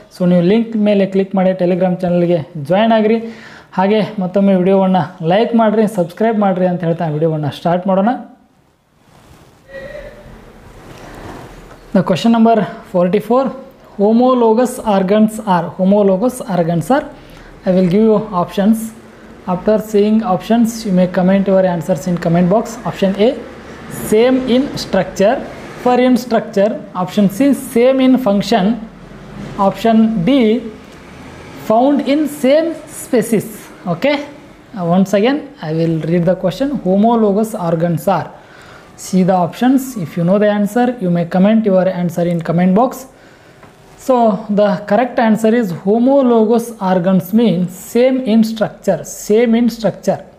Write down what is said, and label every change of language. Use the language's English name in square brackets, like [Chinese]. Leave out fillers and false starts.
[Kannada] So ನೀವು link ಮೇಲೆ click ಮಾಡಿ ಟೆಲಿಗ್ರಾಮ್ ಚಾನಲ್ಗೆ ಜಾಯ್ನ್ ಆಗ್ರಿ. ಹಾಗೆ ಮತ್ತೊಮ್ಮೆ ವಿಡಿಯೋವನ್ನು ಲೈಕ್ ಮಾಡಿರಿ, ಸಬ್ಸ್ಕ್ರೈಬ್ ಮಾಡಿರಿ ಅಂತ ಹೇಳ್ತಾ ವಿಡಿಯೋವನ್ನು ಸ್ಟಾರ್ಟ್ ಮಾಡೋಣ. [English] The question number 44, homologous organs are, homologous organs are, we will give you options, after seeing options you may comment your answers in comment box. Option A same in structure, far in structure. Option C same in function. Option D found in same species. Okay, once again we will read the question. Homologous organs are, see the options. If you know the answer, you may comment your answer in comment box. So the correct answer is homologous organs means same in structure, same in structure.